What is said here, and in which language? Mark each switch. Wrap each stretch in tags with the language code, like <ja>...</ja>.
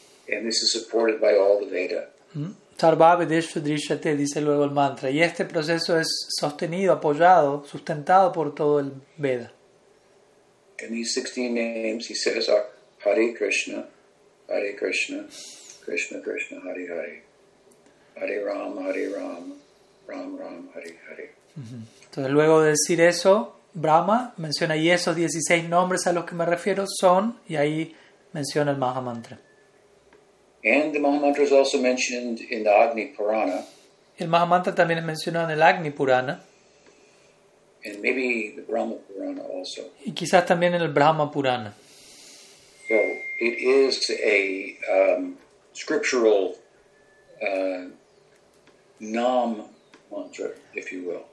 <en>And this is supported by all the Veda.</en> <sa>Sarva vedeshu drishyate,</sa> <es>dice luego el mantra. Y este proceso es sostenido, apoyado, sustentado por todo el Veda.</es> <en>And these 16 names, he says, are Hare Krishna, Hare Krishna, Krishna Krishna, Hare Hare, Hare Ram, Hare Ram, Ram Ram, Hare Hare.</en> <es>Entonces luego de decir eso, Brahma menciona, y esos 16 nombres a los que me refiero son, y ahí menciona el Maha Mantra.</es> <en>And the Maha Mantra is also mentioned in the Agni Purana.</en> <es>El Maha Mantra también es mencionado en el Agni Purana.</es> <en>And maybe the Brahma Purana also.</en> <es>Y quizás también en el Brahma Purana.</es> <en>So it is a scriptural Nam Mantra, if you will.</en>